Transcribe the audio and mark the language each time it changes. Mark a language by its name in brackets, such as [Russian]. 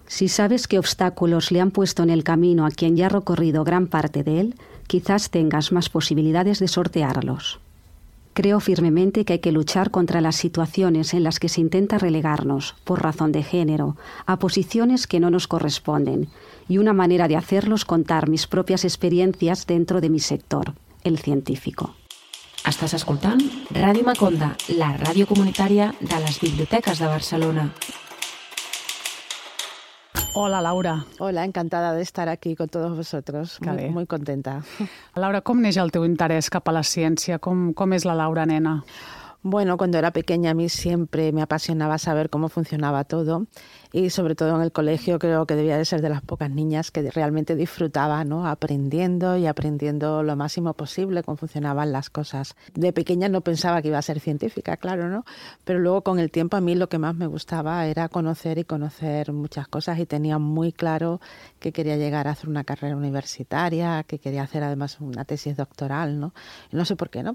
[Spanish] Si sabes qué obstáculos le han puesto en el camino a quien ya ha recorrido gran parte de él, quizás tengas más posibilidades de sortearlos. Creo firmemente que hay que luchar contra las situaciones en las que se intenta relegarnos, por razón de género, a posiciones que no nos corresponden, y una manera de hacerlo es contar mis propias experiencias dentro de mi sector, el científico. [Catalan] Estàs escoltant Ràdio Maconda, la ràdio comunitària de les Biblioteques de Barcelona. Hola, Laura. [Spanish] Hola, encantada de estar aquí con todos vosotros. Muy contenta. [Catalan] Laura, ¿com neix el teu interès cap a la ciència? Com és la Laura nena? [Spanish] Bueno, cuando era pequeña a mí siempre me apasionaba saber cómo funcionaba todo y sobre todo en el colegio creo que debía de ser de las pocas niñas que realmente disfrutaba, ¿no? Aprendiendo y aprendiendo lo máximo posible cómo funcionaban las cosas. De pequeña no pensaba que iba a ser científica, claro, ¿no? Pero luego con el tiempo a mí lo que más me gustaba era conocer muchas cosas y tenía muy claro que quería llegar a hacer una carrera universitaria, que quería hacer además una tesis doctoral, ¿no? Y no sé por qué, ¿no?